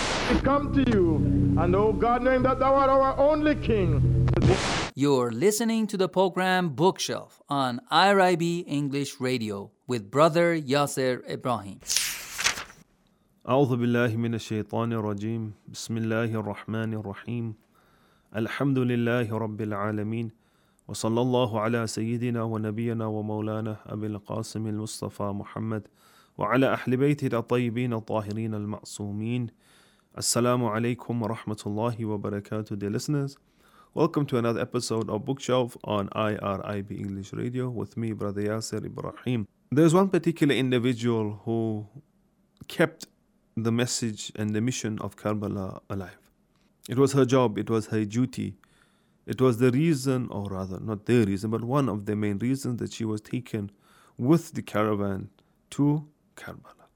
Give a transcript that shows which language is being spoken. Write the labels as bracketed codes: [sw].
[en] We come to you, and O God, knowing that thou art our only King. You're listening to the program Bookshelf on IRIB English Radio with Brother Yasser Ibrahim. [ar] أعوذ بالله من الشيطان الرجيم بسم الله الرحمن الرحيم الحمد لله رب العالمين وصلى الله على سيدنا ونبينا ومولانا أبي القاسم المصطفى محمد وعلى أهل بيته الطيبين الطاهرين المعصومين السلام عليكم ورحمة الله وبركاته. [en] Dear listeners, welcome to another episode of Bookshelf on IRIB English Radio with me, Brother Yasser Ibrahim. There's one particular individual who kept the message and the mission of Karbala alive. It was her job, it was her duty. It was the reason, or rather, not the reason, but one of the main reasons that she was taken with the caravan to Karbala.